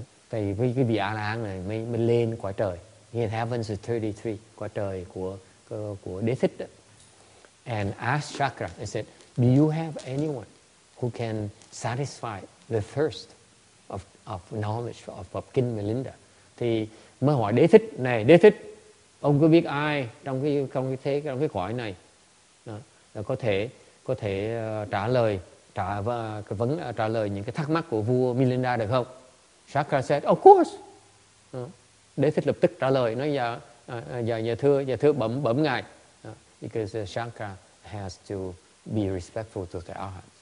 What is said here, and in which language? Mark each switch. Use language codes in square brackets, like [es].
[vi] Thì cái vị A-la-hán này mới lên quả trời. [en] He had heavens of 33, [vi] quả trời của Đế Thích đó. [en] And asked Chakra, I said, do you have anyone who can satisfy the thirst of knowledge of King Milinda? [vi] Thì mới hỏi Đế Thích này, Đế Thích, ông có biết ai trong cái cõi này đó, có thể trả lời những cái thắc mắc của vua Milinda được không? [en] Chakra said, of course. [vi] Đế Thích lập tức trả lời, nói dạ thưa bẩm ngài. [en] Because Shankar has to be respectful to the Arhat.